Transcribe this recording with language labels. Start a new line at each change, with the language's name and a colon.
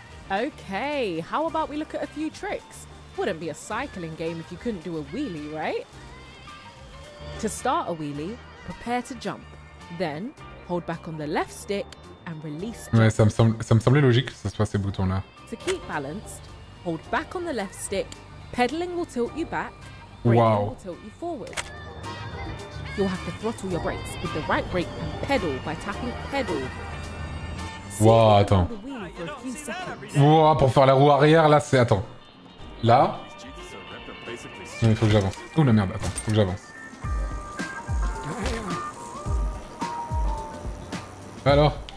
English: Okay, how about we look at a few tricks? Wouldn't be a cycling game if you couldn't do a wheelie, right? To start a wheelie, prepare to jump. Then, hold back on the left stick and release.
French: Ouais, ça me semblait logique que ce soit ces boutons-là.
English: To keep balanced, hold back on the left stick. Pedaling will tilt you back. Wow. Braking will tilt you forward. You'll have to throttle your brakes with the right brake and pedal by tapping pedal.
French: Wow, attends. Wow, pour faire la roue arrière, là, c'est... Attends. Là. Non, il faut que j'avance. Ouh, la merde, attends. Faut que j'avance. Alors.